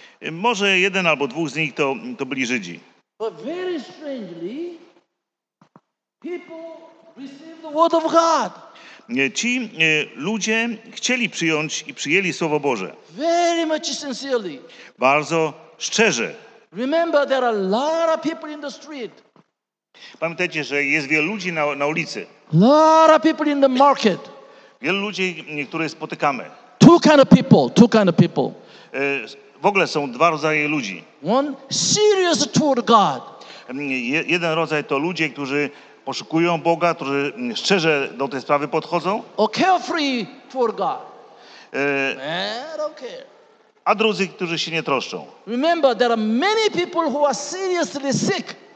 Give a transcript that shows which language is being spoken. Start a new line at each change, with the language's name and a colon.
Polish: Może jeden albo dwóch z nich to byli Żydzi.
English: But very strangely, people received the word of God.
Polish: Ci ludzie chcieli przyjąć i przyjęli Słowo Boże.
English: Very much sincerely.
Polish: Bardzo szczerze.
English: Remember, there are a lot of people in the street.
Polish: Pamiętajcie, że jest wielu ludzi na ulicy.
English: Lot of people in the market.
Polish: Wielu ludzi, których spotykamy.
English: Two kind of people.
Polish: W ogóle są dwa rodzaje ludzi.
English: One serious toward God.
Polish: Jeden rodzaj to ludzie, którzy poszukują Boga, którzy szczerze do tej sprawy podchodzą.
English: Or carefree for God. Okay.
Polish: A drudzy, którzy się nie troszczą.
English: Remember, there are many people who are seriously sick.